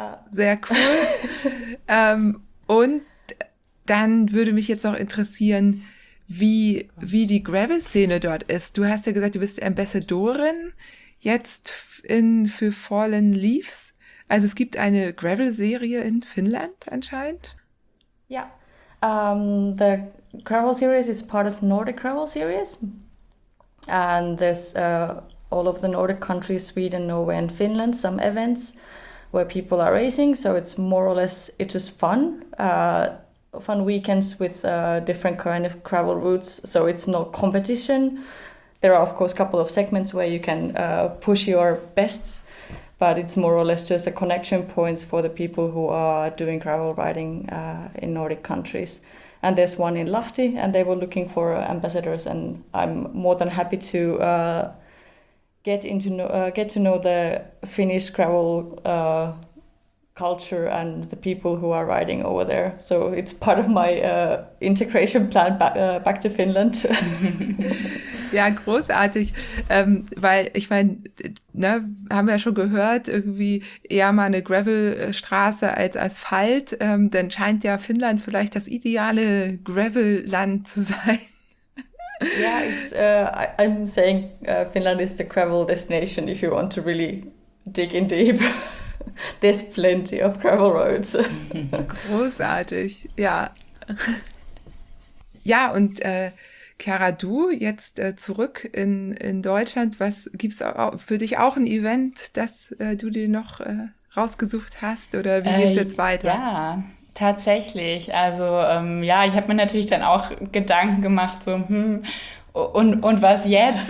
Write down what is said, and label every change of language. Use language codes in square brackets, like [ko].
[de] Sehr cool. und dann würde mich jetzt noch interessieren, wie die Gravel-Szene dort ist. Du hast ja gesagt, du bist Ambassadorin jetzt für Fallen Leaves. Also es gibt eine Gravel-Serie in Finnland anscheinend. [en] Yeah, the Gravel Series is part of Nordic Gravel Series, and there's all of the Nordic countries, Sweden, Norway and Finland, some events where people are racing, so it's more or less, it's just fun weekends with different kind of gravel routes, so it's not competition. There are of course a couple of segments where you can push your best, but it's more or less just a connection points for the people who are doing gravel riding in Nordic countries. And there's one in Lahti, and they were looking for ambassadors, and I'm more than happy to get to know the Finnish gravel culture and the people who are riding over there. So it's part of my integration plan back to Finland. [de] Ja, großartig, weil ich meine, ne, haben wir ja schon gehört, irgendwie eher mal eine Gravelstraße als Asphalt, dann scheint ja Finnland vielleicht das ideale Gravelland zu sein. [en] Ja, I'm saying Finland is the gravel destination if you want to really dig in deep. There's plenty of gravel roads. [de] Großartig, ja. Ja, und Chiara, du jetzt zurück in Deutschland. Was gibt's für dich auch ein Event, das du dir noch rausgesucht hast? Oder wie geht's jetzt weiter? Ja, tatsächlich. Also ich habe mir natürlich dann auch Gedanken gemacht, so und was jetzt?